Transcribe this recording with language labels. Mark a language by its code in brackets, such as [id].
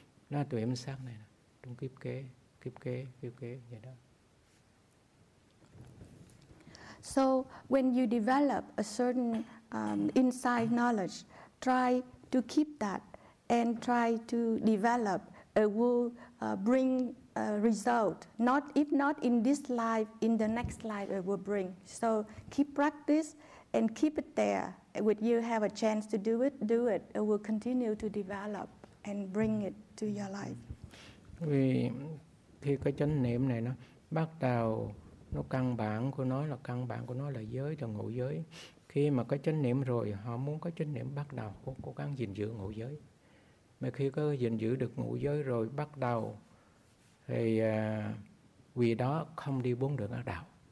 [vi] Nó tuệ minh sát này trong kiếp kế vậy đó. [en] So when you develop a certain inside knowledge, try to keep that and try to develop a will bring a result. Not if not in this life, in the next life it will bring. So keep practice and keep it there. Would you have a chance to do it? Do it. It will continue to develop and bring it to your life. [vi] Vì khi cái chánh niệm này nó bắt đầu nó căn bản của nó là giới là ngũ giới. Khi mà có chánh niệm rồi, họ muốn có chánh niệm bắt đầu cố gắng gìn giữ ngũ giới. Mà khi có gìn giữ được ngũ giới rồi bắt đầu thì vì đó không đi bốn đường ác đạo.